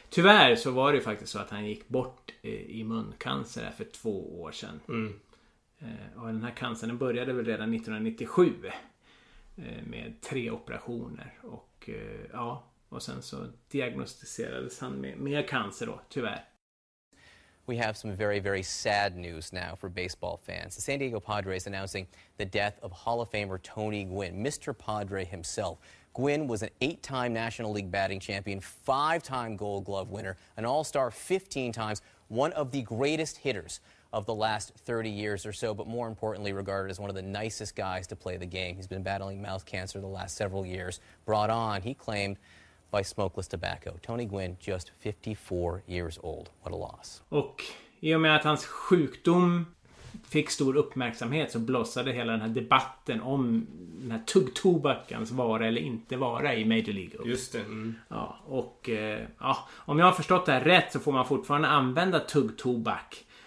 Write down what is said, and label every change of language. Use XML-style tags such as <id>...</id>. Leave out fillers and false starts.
<sv>Tyvärr så var det ju faktiskt så att han gick bort i muncancer för 2 år sedan. Mm. Och den här cancern började väl redan 1997 med 3 operationer. Och ja, och sen så diagnostiserades han med cancer då, tyvärr.</sv> <en>We have some very, very sad news now for baseball fans. The San Diego Padres announcing the death of Hall of Famer Tony Gwynn, Mr. Padre himself. Gwynn was an 8-time National League batting champion, 5-time Gold Glove winner, an All-Star 15 times, one of the greatest hitters of the last 30 years or so, but more importantly regarded as one of the nicest guys to play the game. He's been battling mouth cancer the last several years, brought on, he claimed, by smokeless tobacco. Tony Gwynn, just 54 years old. What a loss.</en> <sv>Och i och med att hans sjukdom fick stor uppmärksamhet så blossade hela den här debatten om den här tuggtobakens vara eller inte vara i Major League. Just det. Mm. Ja, och ja, om jag har förstått det här rätt så får man fortfarande använda tuggtobak.</sv>